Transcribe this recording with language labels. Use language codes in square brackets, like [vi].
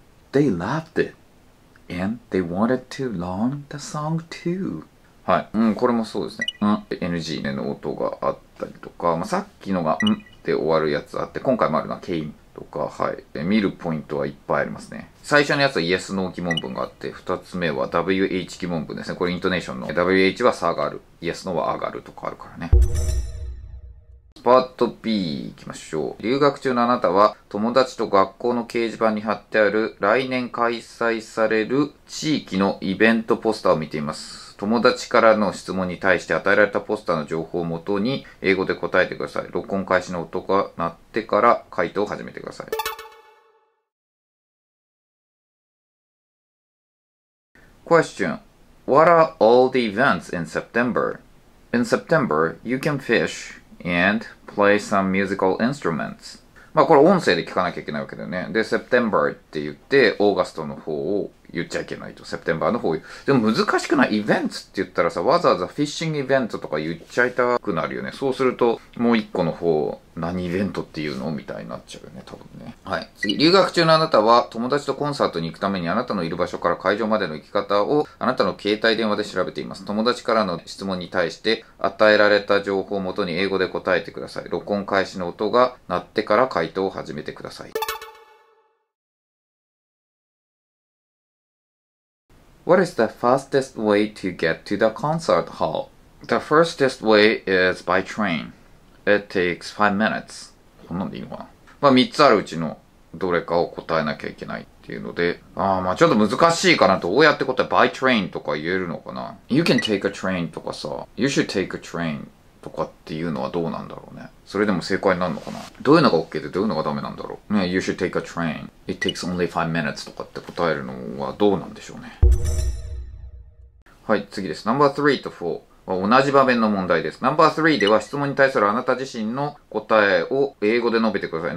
[en] They loved it, and they wanted to learn the song too. [ja] はい。うん、これもそうですね。うん。NG ねの音があったりとか、まあ、さっきのが、んって終わるやつあって、今回もあるのは、ケインとか、はい。見るポイントはいっぱいありますね。最初のやつは、イエスの疑問文があって、二つ目は、WH 疑問文ですね。これ、イントネーションの。 WH は下がる。イエスのは上がるとかあるからね。パート B 行きましょう。留学中のあなたは、友達と学校の掲示板に貼ってある、来年開催される地域のイベントポスターを見ています。友達からの質問に対して与えられたポスターの情報をもとに英語で答えてください。録音開始の音が鳴ってから回答を始めてください。 [en] Question: What are all the events in September? In September, you can fish and play some musical instruments. [ja] まあこれ音声で聞かなきゃいけないわけだよね。で、September って言って、August の方を言っちゃいけないと。September の方を言う。でも難しくない？Events って言ったらさ、わざわざ Fishing Event とか言っちゃいたくなるよね。そうすると、もう一個の方、何イベントっていうのみたいになっちゃうよね、多分ね。はい。次、留学中のあなたは、友達とコンサートに行くためにあなたのいる場所から会場までの行き方をあなたの携帯電話で調べています。友達からの質問に対して、与えられた情報をもとに英語で答えてください。録音開始の音が鳴ってから回答を始めてください。 [en] What is the fastest way to get to the concert hall? The fastest way is by train. It takes 5 minutes. [ja] こんなんでいいのかな？まあ、3つあるうちのどれかを答えなきゃいけないっていうので。ああ、まあ、ちょっと難しいかな。どうやって答え、 [en] by train [ja] とか言えるのかな？ [en] You can take a train とかさ、you should take a train. [ja] とかっていうのはどうなんだろうね。それでも正解になるのかな。どういうのが OK でどういうのがダメなんだろう。ね、 [en] You should take a train. It takes only 5 minutes [ja] とかって答えるのはどうなんでしょうね。はい、次です。 Number 3と4は同じ場面の問題です。 Number 3では質問に対するあなた自身の答えを英語で述べてください。